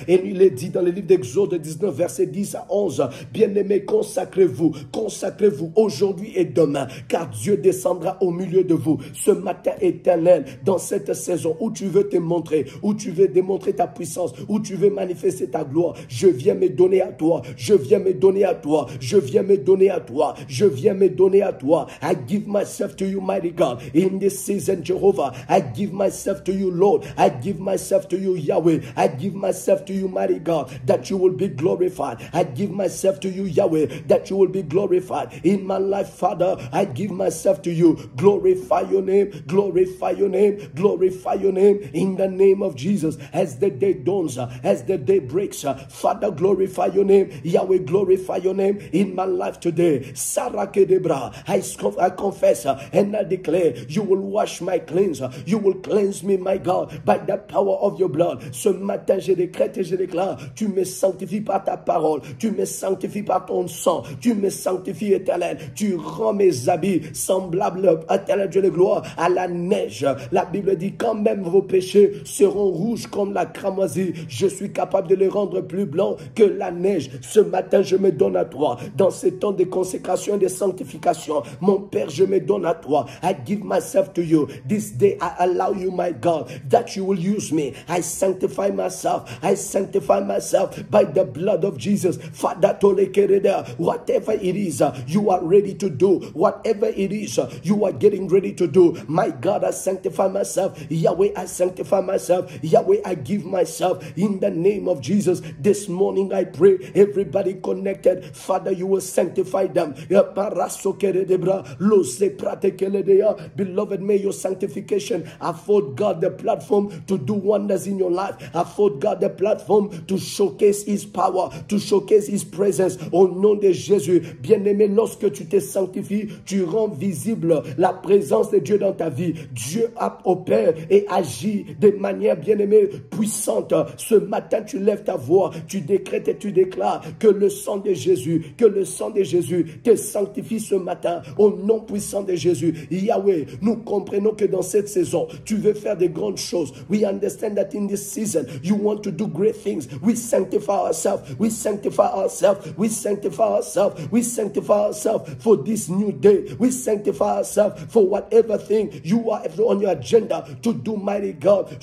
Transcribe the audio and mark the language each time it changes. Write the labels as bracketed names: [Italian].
[French] Et il est dit dans le livre d'Exode 19, verset 10 à 11, bien-aimés, consacrez-vous aujourd'hui et demain, car Dieu descendra au milieu de vous. Ce matin éternel, dans cette saison où tu veux te montrer, où tu veux démontrer ta puissance, où tu veux manifester ta gloire, je viens me donner à toi, je viens me donner à toi, je viens me donner à toi, je viens me donner à toi. [English] I give myself to you, mighty God. In this season, Jehovah, I give myself to you, Lord. I give myself to you, Yahweh. I give myself to you, mighty God, that you will be glorified. I give myself to you, Yahweh, that you will be glorified. In my life, Father, I give myself to you. Glorify your name, glorify your name, glorify your name in the name of Jesus. As the day dawns, as the day breaks, Father, glorify your name. Yahweh, glorify your name in my life today. Sarah Kedebra, I confess and I declare, you will wash my cleanser. You will cleanse me, my God, by the power of your blood. [French] Ce matin, je décrète et je déclare, tu me sanctifies par ta parole, tu me sanctifies par ton sang, tu me sanctifies, éternel, tu rends mes habits semblables, éternel Dieu de gloire, à la neige. La Bible dit, quand même vos péchés seront rouges comme la cramoisie, je suis capable de les rendre plus blancs que la neige. Ce matin, je me donne à toi, dans ces temps de consécration et de sanctification, mon Père, je me donne à toi. [English] I give myself to you. This day, I allow you, my God, that you will use me. I sanctify myself. I sanctify myself by the blood of Jesus. Father Tolekereda, whatever it is you are ready to do, whatever it is you are getting ready to do, my God, I sanctify myself. Yahweh, I sanctify myself. Yahweh, I give myself in the name of Jesus. This morning I pray, everybody connected, Father, you will sanctify them. Beloved, may your sanctification afford God the platform to do wonders in your life. Afford God the platform to showcase his power, to showcase his presence. [French] Au nom de Jésus, bien-aimé, lorsque tu te sanctifies, tu rends visible la présence de Dieu dans ta vie. Dieu opère et agit de manière, bien-aimé, puissante. Ce matin, tu lèves ta voix, tu décrètes et tu déclares que le sang de Jésus, que le sang de Jésus te sanctifie ce matin au nom puissant de Jésus. Yahweh, nous comprenons que dans cette saison, tu veux faire des grandes choses. [English] We understand that in this season, you want to do great things. We sanctify ourselves. We sanctify ourselves. We sanctify ourselves. We sanctify ourselves for this new day. We sanctify ourselves for whatever thing you are on your agenda to do, mighty God.